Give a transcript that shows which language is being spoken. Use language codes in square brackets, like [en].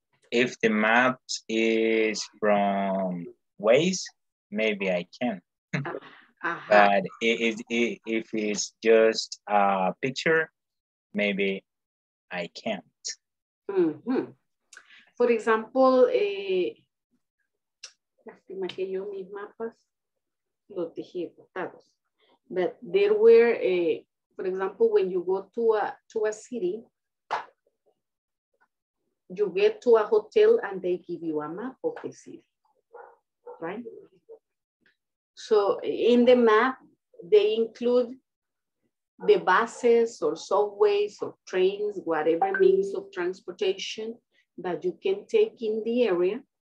[en] If the map is from Waze, maybe I can. But if it's just a picture, maybe I can't. For example, [es] lástima que yo mis mapas los dejé botados. [en] But there were, for example, when you go to a city, you get to a hotel and they give you a map of the city, right? So in the map, they include the buses or subways or trains, whatever means of transportation that you can take in the area.